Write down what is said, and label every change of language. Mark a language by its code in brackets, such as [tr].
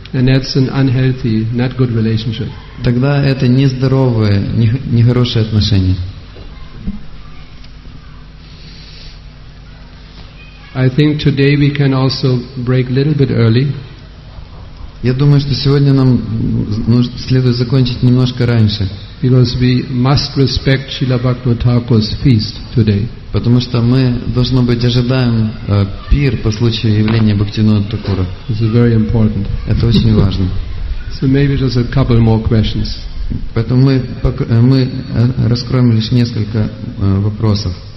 [en] And that's an unhealthy, not good relationship. [ru] Тогда это нездоровые, нехорошие отношения. [en] I think today we can also break a little bit early. [ru] Я думаю, что сегодня нам следует закончить немножко раньше. [en] Because we must respect Srila Bhaktivinoda Thakur's feast today. [ru] Потому что мы, должно быть, ожидаем пир по случаю явления Бхактивинода Такура. [en] This is very important. [ru] Это очень важно. [en] So maybe just a couple more questions. [ru] Поэтому мы раскроем лишь несколько вопросов.